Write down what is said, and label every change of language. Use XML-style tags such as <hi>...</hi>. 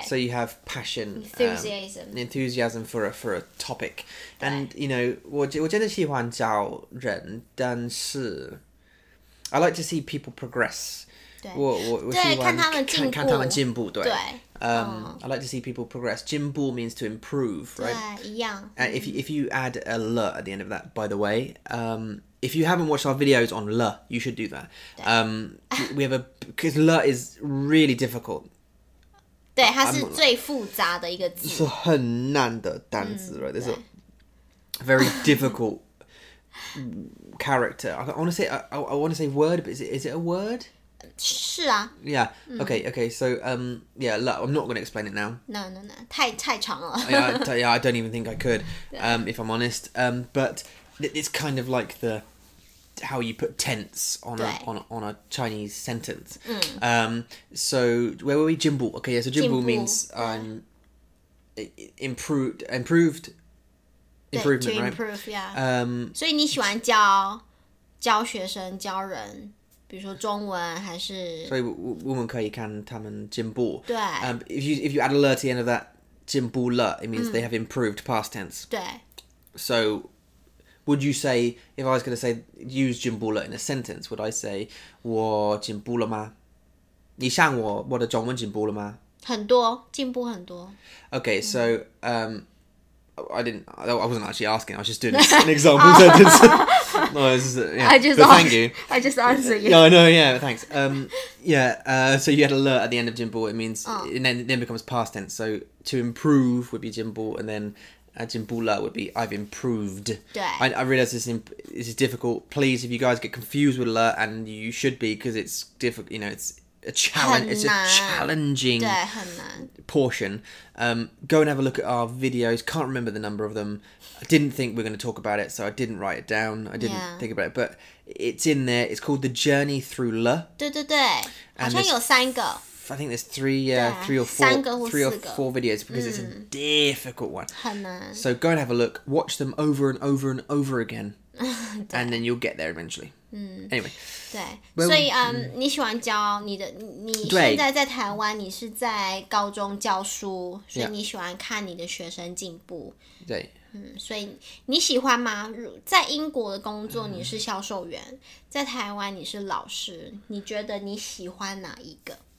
<en>So you have passion, enthusiasm for a topic, and you know,</en> <zh>我真的喜欢找人，但是</zh> <en>I like to see people progress.</en> <zh>对，我喜欢看他们进步，对。</zh> <en>I like to see people progress. 进步 means to improve, right?</en> <zh>对，一样。</zh> <en>If you add a le at the end of that, by the way, if you haven't watched our videos on le, you should do that. We have a, because le is really difficult.</en> <zh>对，它是最复杂的一个字，是很难的单字，</zh> <en>right? It's a very difficult character. I want to say, I want to say word, but is it a word?</en> <zh>是啊。</zh> <en>Yeah. Okay. So, yeah. Look, I'm not going to explain it now. No.</en> <zh>太长了。</zh> <en>yeah, I don't even think I could, if I'm honest. But it's kind of like the how you put tense on a Chinese sentence. So where were we? Jinbu. Okay. Yeah. So Jinbu means improved. Improvement, right? Yeah.</en> <zh>所以你喜欢教学生教人，比如说中文还是？所以我们可以看他们进步。对。</zh> <en>If you add a le at the end of that, 进步了 it means they have improved past tense.</en> <zh>对。</zh> <en>So, would you say if I was going to say use 进步了 in a sentence, would I say</en> <zh>我进步了吗？你像我的中文进步了吗？很多，进步很多。</zh> <en>Okay, so. I wasn't actually asking. I was just doing an example sentence. Thank you. I just answered you. No, I know. Yeah, but thanks. So you had a le at the end of jinbu. It means, and then becomes past tense. So to improve would be jinbu, and then jinbu le would be I've improved. I realize this is difficult. Please, if you guys get confused with le, and you should be, because it's difficult. You know, it's a challenge. It's a challenging.</en> <zh>对，很难. Portion.</zh> <en>Go and have a look at our videos. Can't remember the number of them. I didn't think we were going to talk about it, so I didn't write it down. I didn't think about it, but it's in there. It's called The Journey Through Le.</en> <zh>对，好像有三个。</zh> <en>I think there's three or four videos because it's a difficult one.</en> <zh>很难。</zh> <en>So go and have a look. Watch them over and over and over again, and then you'll get there eventually. Anyway.</en> <zh>对， well, 所以你喜欢教你现在在台湾，你是在高中教书，所以你喜欢看你的学生进步。对，所以你喜欢吗？在英国的工作你是销售员，在台湾你是老师，你觉得你喜欢哪一个？</zh>